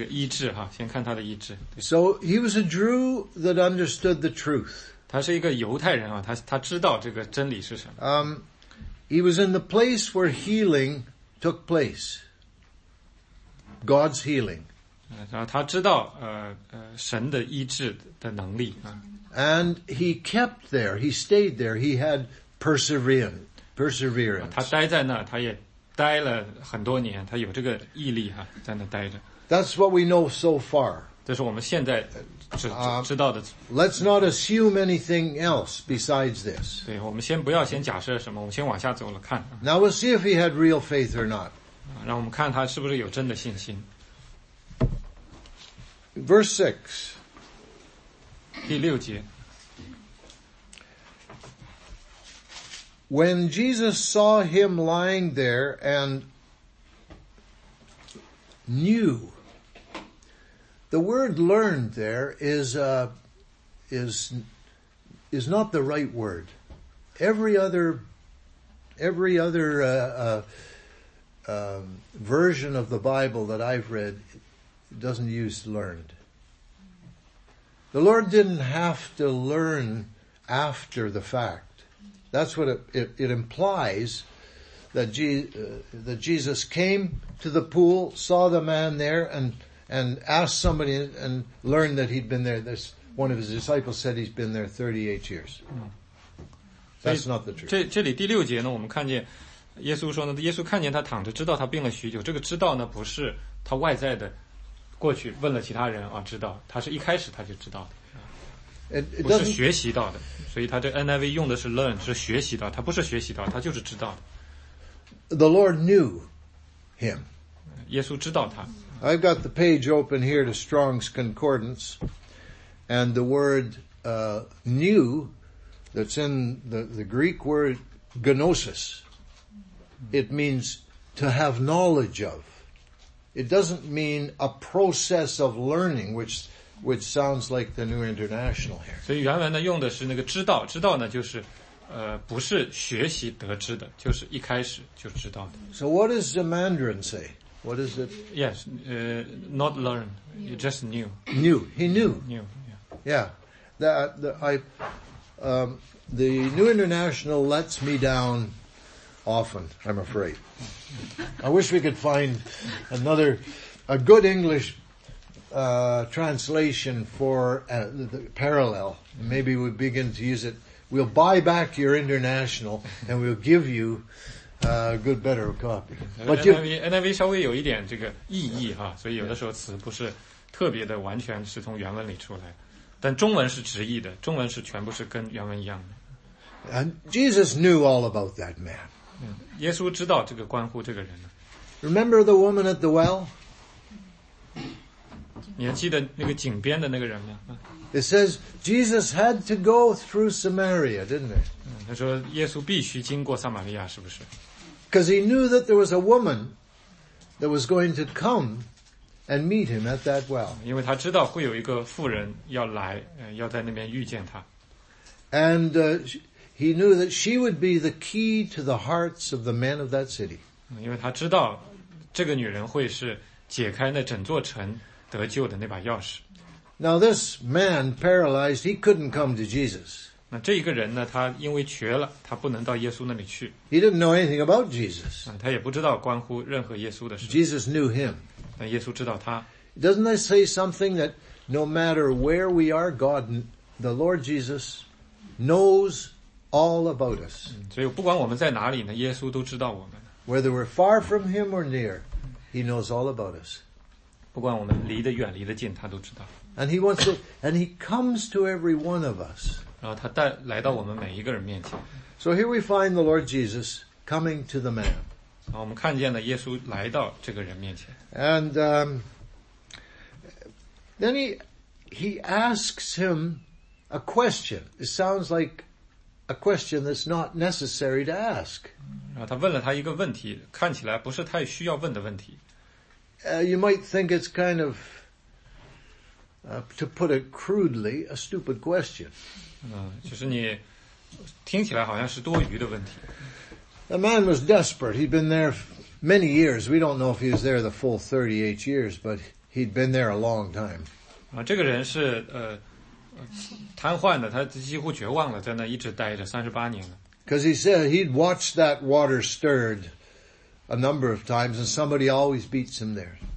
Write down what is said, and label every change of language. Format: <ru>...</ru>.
<en>So he was a Jew that understood the truth.</en> <zh>他是一个犹太人啊，他知道这个真理是什么。</zh> <en>He was in the place where healing took place. God's healing.</en> <zh>然后他知道神的医治的能力。</zh> <en>And he kept there, he stayed there, he had perseverance.</en> <zh>他待在那，他也待了很多年，他有这个毅力啊，在那待着。</zh> <en>That's what we know so far.</en> <zh>这是我们现在知道的。</zh> <en>Let's not assume anything else besides this.</en> <zh>对，我们先假设什么，我们先往下走了看。</zh> <en>Now we'll see if he had real faith or not.</en> <zh>让我们看他是不是有真的信心。</zh> <en>Verse</en> <zh>6. 第六节。</zh> <en>When Jesus saw him lying there and knew, the word learned there is not the right word. Every other version of the Bible that I've read doesn't use learned. The Lord didn't have to learn after the fact. That's what it implies, that Jesus came to the pool, saw the man there, and asked somebody and learned that he'd been there. This one of his disciples said he's been there 38 years. That's not the truth.</en> <zh>这里第六节呢，我们看见耶稣说呢，耶稣看见他躺着，知道他病了许久。这个知道呢，不是他外在的。过去问了其他人啊，知道他是一开始他就知道的，不是学习到的。所以他这 NIV 用的是 learn， 是学习到，他不是学习到，他就是知道的。</zh> <en>The Lord knew him.</en> <zh>耶稣知道他。</zh> <en>I've got the page open here to Strong's Concordance, and the word knew that's in the Greek word gnosis. It means to have knowledge of. It doesn't mean a process of learning, which sounds like the New International here.</en> <zh>所以原文呢用的是那个知道，知道呢就是，不是学习得知的，就是一开始就知道的。</zh> <en>So what does the Mandarin say? What is it? Yes, not learn, just knew. Knew. He knew. Knew. Yeah. Yeah. The New International lets me down. Often, I'm afraid. I wish we could find a good English translation for the parallel. Maybe we begin to use it. We'll buy back your international and we'll give you a good, better copy.</en> <zh>But NIV 稍微有一点这个意义哈，所以有的时候词不是特别的完全是从原文里出来，但中文是直译的，中文是全部是跟原文一样的。</zh> <en>And Jesus knew all about that man.</en> <zh>耶稣知道这个关乎这个人呢。</zh> <en>Remember the woman at the well?</en> <zh>你还记得那个井边的那个人吗？</zh> <en>It says Jesus had to go through Samaria, didn't it?</en> <zh>他说耶稣必须经过撒玛利亚，是不是？</zh> <en>Because he knew that there was a woman that was going to come and meet him at that well.</en> <zh>因为他知道会有一个妇人要来，要在那边遇见他。</zh> <en>And he knew that she would be the key to the hearts of the men of that city.</en> <zh>因为他知道这个女人会是解开那整座城得救的那把钥匙。</zh> <en>Now this man paralyzed, he couldn't come to Jesus.</en> <zh>那这一个人呢，他因为瘸了，他不能到耶稣那里去。</zh> <en>He didn't know anything about Jesus.</en> <zh>他也不知道关乎任何耶稣的事。</zh> <en>Jesus knew him.</en> <zh>那耶稣知道他。</zh> <en>Doesn't that say something that no matter where we are, God, the Lord Jesus knows all about us.</en> <zh>所以不管我们在哪里呢，耶稣都知道我们。</zh> <en>Whether we're far from him or near, he knows all about us.</en> <zh>不管我们离得远离得近，他都知道。</zh> <en>And he wants to, and he comes to every one of us.</en> <zh>然后他带来到我们每一个人面前。</zh> <en>So here we find the Lord Jesus coming to the man.</en> <zh>然后我们看见了耶稣来到这个人面前。</zh> <en>And then he asks him a question. It sounds like a question that's not necessary to ask.</en> <zh>然后他问了他一个问题，看起来不是太需要问的问题。</zh> <en>You might think it's kind of to put it crudely, a stupid question.</en> <zh>就是你听起来好像是多余的问题。</zh> <en>The man was desperate. He'd been there many years. We don't know if he was there the full 38 years, but he'd been there a long time.</en> <zh>这个人是瘫痪的，他几乎绝望了，在那一直待着38年了。</zh> <en>Because he said he'd watched that water stirred a number of times, and somebody always beats him there.</en>